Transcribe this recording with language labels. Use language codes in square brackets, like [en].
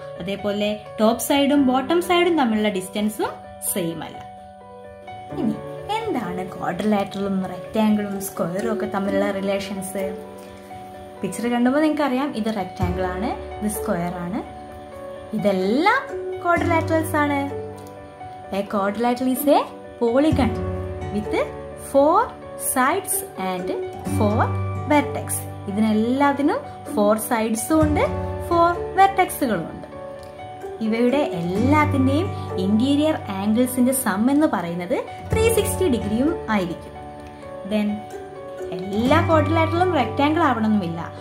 [ml] അതേപോലെ ടോപ്പ് സൈഡും ബോട്ടം സൈഡും തമ്മിലുള്ള ഡിസ്റ്റൻസും സെയിം അല്ല. ഇനി എന്താണ് ക്വാഡ്രിലാറ്ററലും റെക്റ്റാംഗിളും സ്ക്വയറും ഒക്കെ തമ്മിലുള്ള റിലേഷൻസ്? പിക്ചർ കണ്ടുമ്പോൾ നിങ്ങൾക്ക് അറിയാം ഇത് റെക്റ്റാംഗിൾ ആണ്, ഇത് സ്ക്വയർ ആണ്, ഇതെല്ലാം ക്വാഡ്രിലാറ്ററൽസ് ആണ്. [en] A quadrilateral is a polygon with four sides and four vertex. [ml] ഇതിനെല്ലാത്തിനും four sides ഉണ്ട്, four vertexകളും ഉണ്ട്. ഇവയുടെ എല്ലാത്തിന്റെയും ഇന്റീരിയർ ആംഗിൾസിന്റെ സം എന്ന് പറയുന്നത് 360 degree ഉം ആയിരിക്കും. ദെൻ എല്ലാ ക്വാഡ്രിലാറ്ററലും റെക്റ്റാങ്കിൾ ആവണമെന്നില്ല.